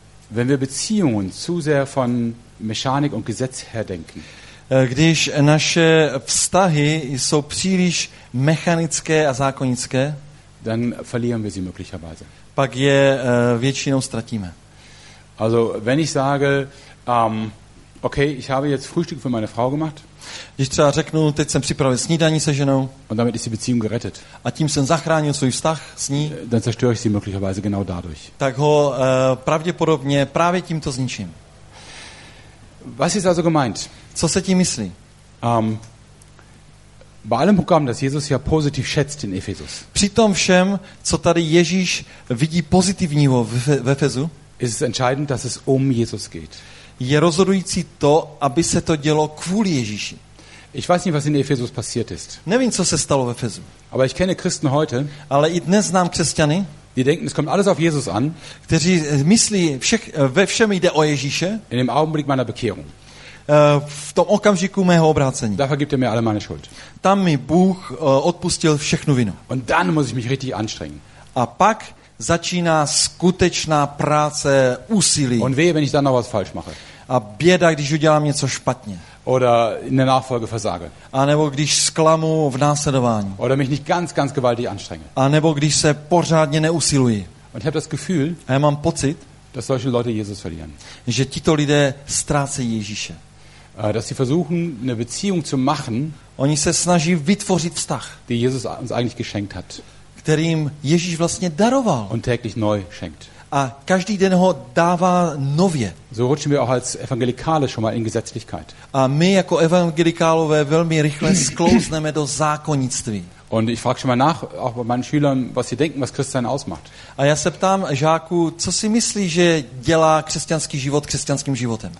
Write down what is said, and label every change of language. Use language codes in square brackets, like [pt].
[de] Wenn wir Beziehungen zu sehr von Mechanik und Gesetz her denken. [cs] Když naše vztahy jsou příliš mechanické a zákonické, [de] dann verlieren wir sie möglicherweise. [cs] Pak je většinou ztratíme. [de] Also, wenn ich sage, okay, ich habe jetzt Frühstück für meine Frau gemacht. [cs] Když třeba řeknu, teď jsem připravil snídaní se ženou. [de] Und damit ist die Beziehung gerettet. [cs] A tím jsem zachránil svůj vztah s ní. [de] Dann zerstöre ich sie möglicherweise genau dadurch. [cs] Tak ho pravděpodobně právě tímto zničím. [de] Was ist also gemeint? [cs] Co se tím myslí? [de] Bei allem Programm, das Jesus ja positiv schätzt in Ephesus. [cs] Při tom všem, co tady Ježíš vidí pozitivního v Efezu, [de] ist es entscheidend, dass es Jesus geht. [cs] Je rozhodující to, aby se to dělo kvůli Ježíši. [de] Ich weiß nicht, was in Ephesus passiert ist. [cs] Nevím, co se stalo ve Efezu. [de] Aber ich kenne Christen heute. [cs] Ale i dnes znám křesťany. [de] Die denken, es kommt alles auf Jesus an. [cs] Kteří myslí, ve všem jde o Ježíše. [de] In dem Augenblick meiner Bekehrung. [cs] V tom okamžiku mého obrácení. [de] Da vergibt er mir alle meine Schuld. [cs] Tam mi Bůh odpustil všechnu vinu. [de] Und dann muss ich mich richtig anstrengen. [cs] A pak začíná skutečná práce úsilí. [de] Und wehe, wenn ich dann noch was falsch mache. [cs] A běda, když udělám něco špatně. [de] Oder in der Nachfolge versage. [cs] A nebo když zklamu v následování. [de] Oder mich nicht ganz, ganz gewaltig anstrenge. [cs] A nebo když se pořádně neusiluji. [de] Und ich habe das Gefühl, [cs] a já mám pocit, [de] dass solche Leute Jesus verlieren. [cs] Že tito lidé ztrácejí Ježíše. [de] Dass sie versuchen, eine Beziehung zu machen, [cs] oni se snaží vytvořit vztah, [de] die Jesus uns eigentlich geschenkt hat. [cs] Kterým Ježíš vlastně daroval. [de] Und täglich neu schenkt. [cs] A každý den ho dává nově. [de] So rutschen wir auch als Evangelikale schon mal in Gesetzlichkeit. [cs] A my jako evangelikálové velmi rychle sklouzneme do zákonnictví. [de] Und ich frage schon mal nach, auch bei meinen Schülern, was sie denken, was Christsein ausmacht. [cs] A já se ptám žáku, co si myslí, že dělá křesťanský život křesťanským životem?